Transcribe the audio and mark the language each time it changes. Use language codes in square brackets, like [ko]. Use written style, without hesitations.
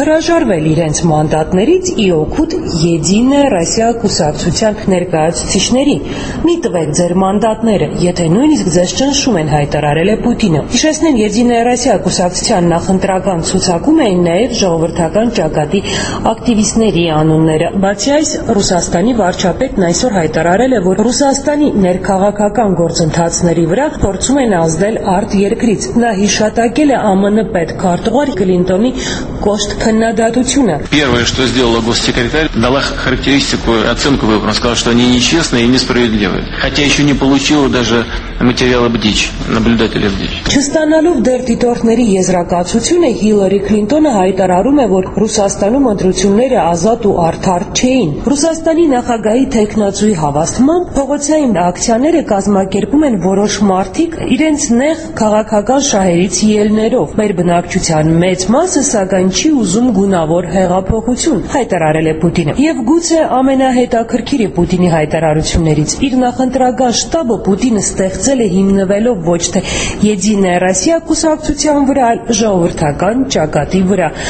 [hy] ժարվել իրենց մանդատներից ի օգուտ Եդինե Ռասիա կուսակցության ներկայացուցիչների։ Մի տվեք ձեր մանդատները, եթե նույնիսկ ձեզ ճնշում են, հայտարարել է Պուտինը։ Հիշեցնեմ, Եդինե Ռասիա կուսակցության նախընտրական ցուցակում էին նաև ժողովրդական ճակատի ակտիվիստների անունները։ Բացի այս, Ռուսաստանի վարչապետն այսօր հայտարարել է, որ Ռուսաստանի ներքաղաքական գործընթացների վրա փորձում են ազդել արտ երկրից։ Նա հիշատակել է ԱՄՆ պետքարտուղար Կլինտոնի կոշտ нададությունը. [ru] Первое, что сделала госсекретарь, дала характеристику, оценку выборам, сказала, что они нечестные и несправедливые. Хотя еще не получила даже материала БДИЧ, наблюдателя БДИЧ. [hy] Չստանալով դեր դիտորդների եզրակացությունը, Հիլարի Քլինտոնը հայտարարում է, որ Ռուսաստանում ընտրությունները ազատ ու արդար չէին։ Ռուսաստանի նախագահի թեկնածուի հավաստմամբ փողոցային ակցիաները կազմակերպում են որոշ մարդիկ իրենց նեղ քաղաքական շահերից ելնելով։ Մեր բնակչության մեծ մասը, սակայն, չի ուզում գունավոր հեղափոխություն, հայտարարել է Պուտինը։ Եվ գուցե ամենահետաքրքիրը Պուտինի հայտարարություններից, իր նախընտրական շտաբը Պուտինը ստեղծել է հիմնվելով ոչ թե Եդինե Ռասիա կուսակցության վրա, այլ ժողովրդական ճակատի վրա։